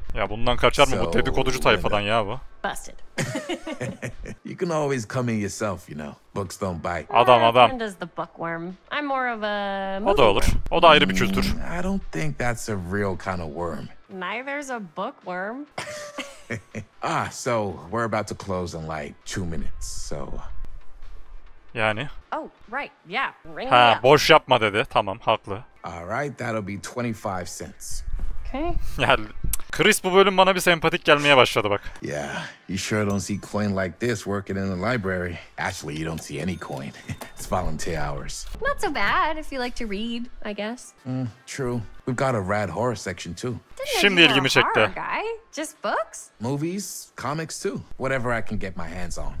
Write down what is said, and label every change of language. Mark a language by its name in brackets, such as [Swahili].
[Turkish] Ya bundan kaçar mı bu dedikoducu tayfadan ya bu? [English] Busted. You can always come in yourself, you know. Books don't bite. [Turkish] Adam. [English] And does the bookworm. I'm more of a movie. [Turkish] O da olur. O da ayrı bir kültür. [English] I don't think that's a real kind of worm. Neither's a bookworm. Ah, so we're about to close in like 2 minutes, so. [Turkish] Yani. [English] Oh, right. Yeah. Ring. [Turkish] Ha, boş yapma dedi. Tamam, haklı. [English] All right, that'll be 25 cents. Okay. [Turkish] Ya, Chris bu bölüm bana bir sempatik gelmeye başladı bak. [English] Yeah. You sure don't see coin like this working in the library. Actually, you don't see any coin. It's volunteer hours. Not so bad if you like to read, I guess. True. We've got a rad horror section too. [Turkish] Şimdi ilgimi çekti. [English] Just books? Movies, comics too. Whatever I can get my hands on.